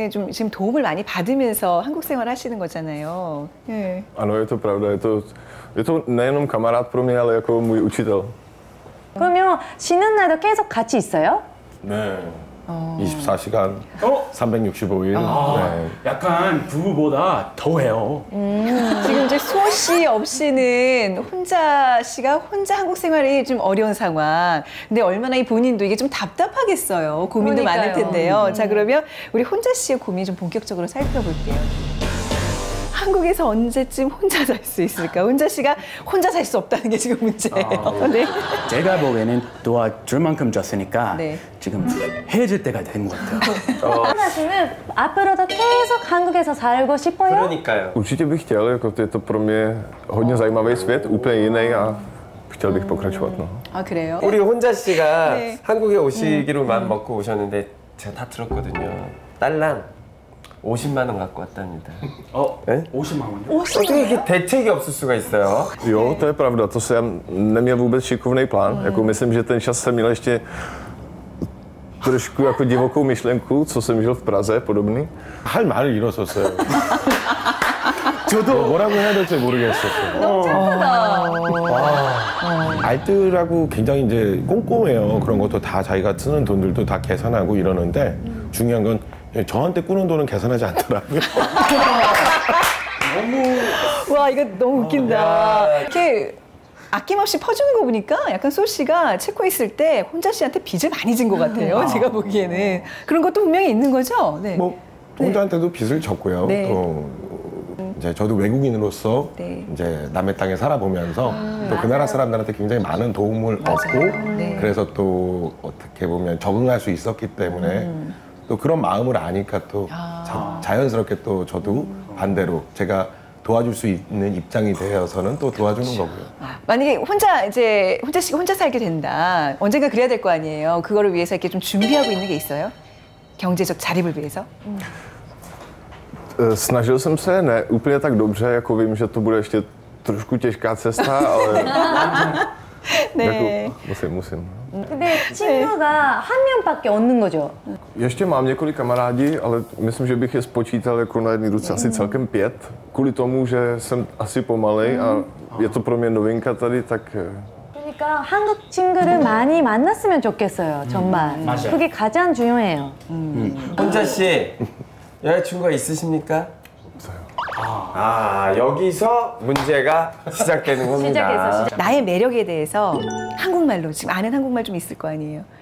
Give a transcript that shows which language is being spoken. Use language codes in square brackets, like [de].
[ko] 지금 도움을 많이 받으면서 한국 생활 하시는 거잖아요. 예. [cs] Ano, je to pravda. Je to nejenom kamarád pro mě, ale jako můj učitel. [ko] 그러면 쉬는 날도 계속 같이 있어요? 네. 24시간. 365일. 아, 네. 약간 부부보다 더 해요. 지금 이제 수호 씨 없이는 혼자 씨가 혼자 한국 생활이 좀 어려운 상황. 근데 얼마나 이 본인도 이게 좀 답답하겠어요. 고민도 그러니까요. 많을 텐데요. 자, 그러면 우리 혼자 씨의 고민 좀 본격적으로 살펴볼게요. 한국에서 언제쯤 혼자 살 수 있을까? 혼자 씨가 혼자 살 수 없다는 게 지금 문제예요. 아, 네. 제가 보기에는 도와줄 만큼 줬으니까 네. 지금 헤어질 때가 된 것 같아요. 하나 씨는 앞으로도 계속 한국에서 살고 싶어요? 그러니까요. [cs] Určitě bych chtěl, jako to je to pro mě hodně zajímavý svět, úplně jiný a chtěl bych pokračovat. [ko] 아, 그래요? 우리 혼자 씨가 네. 한국에 오시기로만 먹고 오셨는데 제가 다 들었거든요. 딸랑 50만 원 갖고 왔답니다. 어? 네? 50만 원이요? 어떻게 이렇게 대책이 없을 수가 있어요? [cs] 요, to je pravda. To jsem neměl vůbec šikovný plán. Jako myslím, že ten čas jsem měl ještě trošku jako divokou myšlenku, co jsem žil v Praze, podobný. Hal malo jiné, co se. [ko] 저도 뭐라고 해야 될지 모르겠어요. 너무 착하다. 알뜰하고 굉장히 이제 꼼꼼해요. 그런 것도 다 자기가 쓰는 돈들도 다 계산하고 이러는데 중요한 건 저한테 꾸는 돈은 계산하지 않더라고요. 너무 와 이거 너무 웃긴다. 이렇게 아낌없이 퍼주는 거 보니까 약간 소 씨가 체코 있을 때 혼자 씨한테 빚을 많이 진 것 같아요. 제가 보기에는 그런 것도 분명히 있는 거죠. 네. 뭐 혼자한테도 네. 빚을 졌고요. 네. 또 이제 저도 외국인으로서 네. 이제 남의 땅에 살아보면서 또 그 나라 사람들한테 굉장히 많은 도움을 맞아요. 얻고 네. 그래서 또 어떻게 보면 적응할 수 있었기 때문에. 또 그런 마음을 아니까 또 자연스럽게 또 저도 반대로 제가 도와줄 수 있는 입장이 되어서는 또 도와주는 그렇죠. 거고요. 아, 만약에 혼자 이제 혼자 씨가 혼자 살게 된다. 언젠가 그래야 될 거 아니에요. 그거를 위해서 이렇게 좀 준비하고 있는 게 있어요? 경제적 자립을 위해서? [cs] Snažil jsem se, ne úplně tak dobře, jako vím, že to bude ještě trošku těžká cesta, ale [ko] 네. 무슨. 근데 친구가 네. 한 명밖에 없는 거죠. [cs] Ještě mám několik kamarádi, ale myslím, že bych je spočítal jako na jedné ruce asi celkem pět. Kvůli tomu, že jsem asi pomalej a je to pro mě novinka tady, tak... [ko] 그러니까 한국 친구를 많이 만났으면 좋겠어요, 정말. 맞아요. 그게 가장 중요해요. 혼자 씨, 여자친구가 있으십니까? 아, 여기서 문제가 시작되는 겁니다. 나의 매력에 대해서 한국말로 지금 아는 한국말 좀 있을 거 아니에요.